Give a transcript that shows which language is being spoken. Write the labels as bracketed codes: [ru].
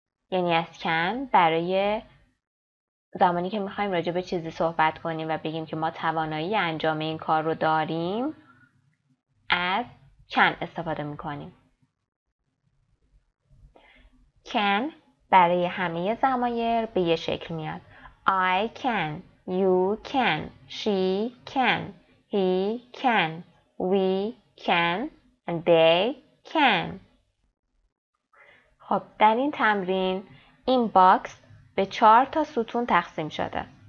[fa] یعنی از can برای زمانی که میخواییم راجع به چیزی صحبت کنیم و بگیم که ما توانایی انجام این کار رو داریم، از can استفاده میکنیم. Can برای همه ضمایر به یه شکل میاد. [en] I can, you can, she can, he can, we can, and they can. [fa] خب در این تمرین این باکس به 4 تا ستون تقسیم شده.